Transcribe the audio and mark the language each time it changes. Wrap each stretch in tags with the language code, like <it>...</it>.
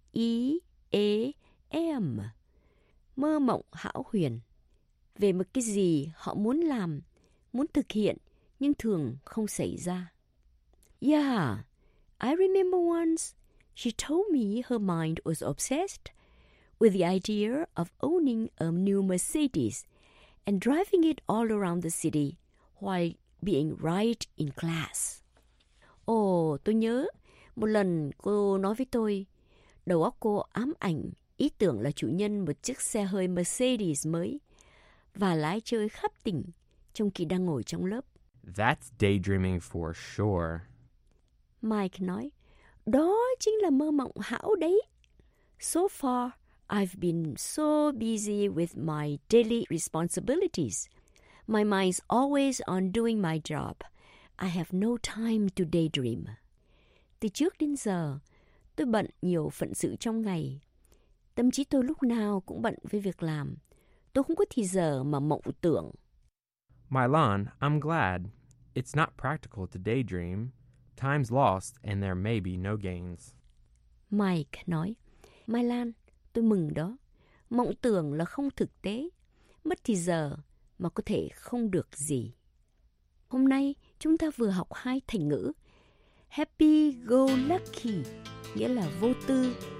<vi>D-A-Y-D-R-E-A-M. Mơ mộng hão huyền. Về một cái gì họ muốn làm, muốn thực hiện, nhưng thường không xảy ra.</vi> <en>Yeah, I remember once she told me her mind was obsessed with the idea of owning a new Mercedes and driving it all around the city while being right in class.</en> <vi>Oh, tôi nhớ một lần cô nói với tôi, đầu óc cô ám ảnh ý tưởng là chủ nhân một chiếc xe hơi Mercedes mới và lái chơi khắp tỉnh trong khi đang ngồi trong lớp.</vi> <en>That's daydreaming for sure.</en> <vi>Mike nói, đó chính là mơ mộng hão đấy.</vi> <en>So far, I've been so busy with my daily responsibilities. My mind's always on doing my job. I have no time to daydream.</en> <vi>Từ trước đến giờ, tôi bận nhiều phận sự trong ngày. Tâm trí tôi lúc nào cũng bận với việc làm. Tôi không có thì giờ mà mộng tưởng.</vi> <en>Mylon, I'm glad. It's not practical to daydream. Time's lost and there may be no gains.</en> <vi>Mike nói, Mylon, tôi mừng đó. Mộng tưởng là không thực tế. Mất thì giờ mà có thể không được gì. Hôm nay, chúng ta vừa học hai thành ngữ. Happy go lucky, nghĩa là vô tư.</vi>